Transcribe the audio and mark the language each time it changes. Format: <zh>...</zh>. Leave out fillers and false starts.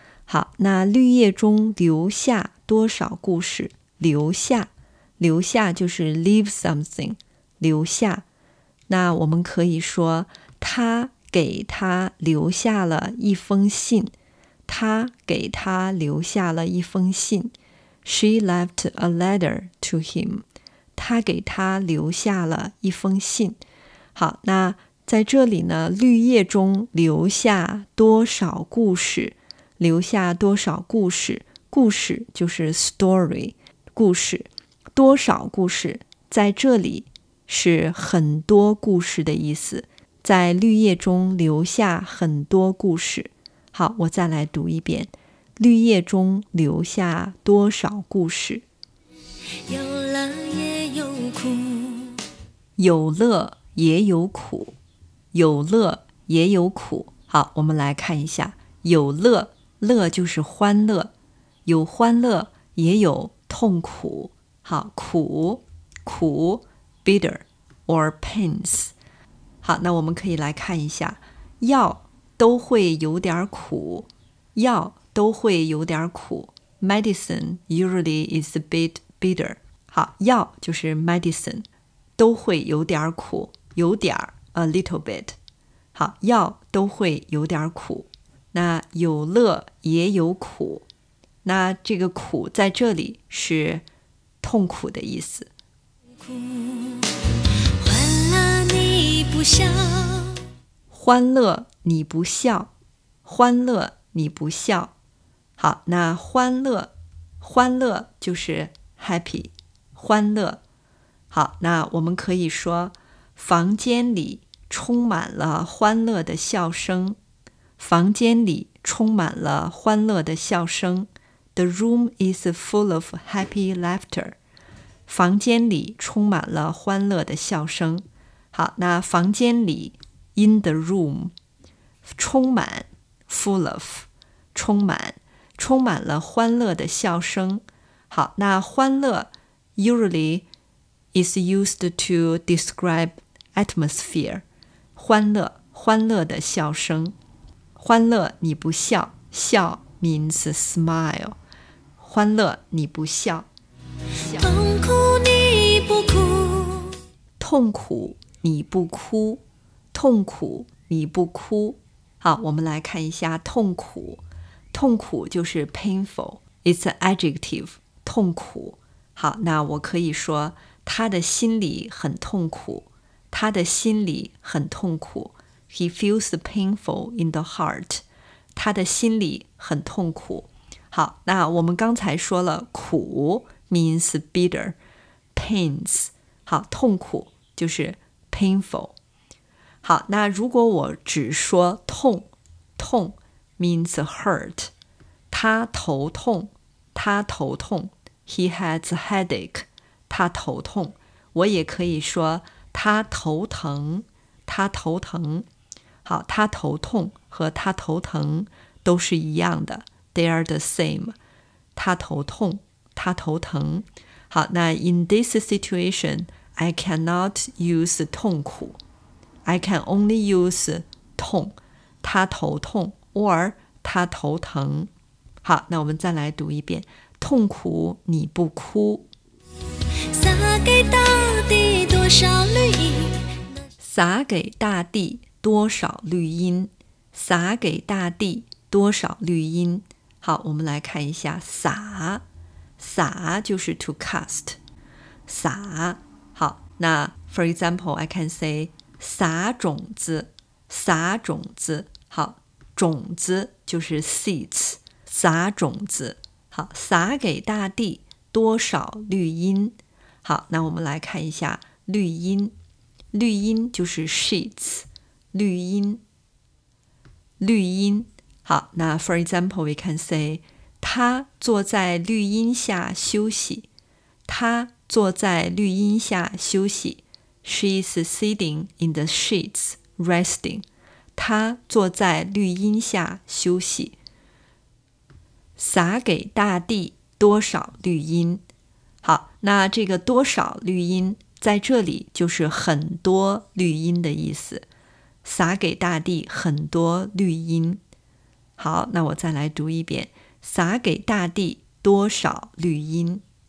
<zh>好，那绿叶中留下多少故事，留下，留下就是</zh> <en>leave something，</en> <zh>留下。那我们可以说他给他留下了一封信，他给他留下了一封信。</zh> <en>She left a letter to him，</en> <zh>他给他留下了一封信。好，那在这里呢，绿叶中留下多少故事，留下多少故事，故事就是 story， 故事，多少故事，在这里是很多故事的意思，在绿叶中留下很多故事。好，我再来读一遍，绿叶中留下多少故事。有乐也有苦，有乐也有苦，有乐也有苦。好，我们来看一下，有乐，乐就是欢乐，有欢乐也有痛苦。好，苦，苦</zh> <en>bitter or pains。</en> <zh>好，那我们可以来看一下，药都会有点苦，药都会有点苦。</zh> <en>medicine usually is a bit bitter。</en> <zh>好，药就是 medicine， 都会有点苦，有点</zh> <en>a little bit。</en> <zh>好，药都会有点苦。那有乐也有苦，那这个苦在这里是痛苦的意思。欢乐你不笑，欢乐你不笑，欢乐你不笑。好，那欢乐，欢乐就是 happy， 欢乐。好，那我们可以说房间里充满了欢乐的笑声，房间里充满了欢乐的笑声。</zh> <en>The room is full of happy laughter，</en> <zh>房间里充满了欢乐的笑声。好，那房间里</zh> <en>in the room，</en> <zh>充满</zh> <en>full of，</en> <zh>充满，充满了欢乐的笑声。好，那欢乐</zh> <en>usually is used to describeatmosphere，</en> <zh>欢乐，欢乐的笑声。欢乐你不笑，笑</zh> <en>means smile，</en> <zh>欢乐你不笑，痛苦你不哭，痛苦你不哭，痛苦你不哭。好，我们来看一下痛苦。痛苦就是</zh> <en>painful， it's an adjective，</en> <zh>痛苦。好，那我可以说他的心里很痛苦，他的心里很痛苦。</zh> <en>He feels painful in the heart，</en> <zh>他的心里很痛苦。好，那我们刚才说了苦</zh> <en>means bitter， pains，</en> <zh>好，痛苦就是 painful。好，那如果我只说痛，痛</zh> <en>means hurt，</en> <zh>他头痛，他头痛。</zh> <en>He has a headache，</en> <zh>他头痛。我也可以说他头疼，他头疼。好，他头痛和他头疼都是一样的，</zh> <en>They are the same，</en> <zh>他头痛，他头疼。</zh> <en>好，那 in this situation I cannot use 痛苦， I can only use</en> <zh>痛，他头痛</zh> <en>or</en> <zh>他头疼。好，那我们再来读一遍，痛苦你不哭。洒给大地多少绿荫，洒给大地多少绿荫，洒给大地多少绿荫。好，我们来看一下洒，洒就是</zh> <en>to cast，</en> <zh>洒。好，那</zh> <en>for example I can say</en> <zh>撒种子，撒种子。好，种子就是 seeds， 撒种子。好，撒给大地多少绿荫。好，那我们来看一下绿荫，绿荫就是 sheets， 绿荫，绿荫。好，那</zh> <en>for example we can say</en> <zh>他坐在绿荫下休息，他坐在绿荫下休息。</zh> <en>She is sitting in the sheets resting，</en> <zh>他坐在绿荫下休息。撒给大地多少绿荫。好，那这个多少绿荫在这里就是很多绿荫的意思，撒给大地很多绿荫。好，那我再来读一遍，撒给大地多少绿荫。</zh>